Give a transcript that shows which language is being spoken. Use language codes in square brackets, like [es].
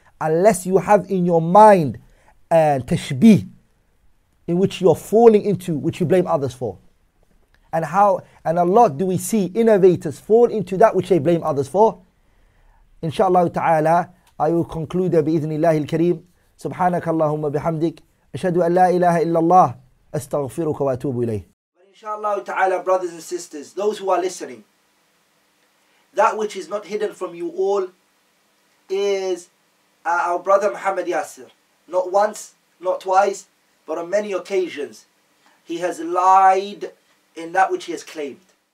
[en] Unless you have in your mind tashbih in which you're falling into, which you blame others for. And a lot do we see innovators fall into that which they blame others for. Inshallah ta'ala, I will conclude [ar] بإذن الله الكريم. سبحانك اللهم بحمدك أشهد أن لا إله إلا الله أستغفرك وأتوب إليه. [en] But inshallah ta'ala, brothers and sisters, those who are listening, that which is not hidden from you all is our brother Muhammad Yasir. Not once, not twice, but on many occasions, he has lied in that which he has claimed.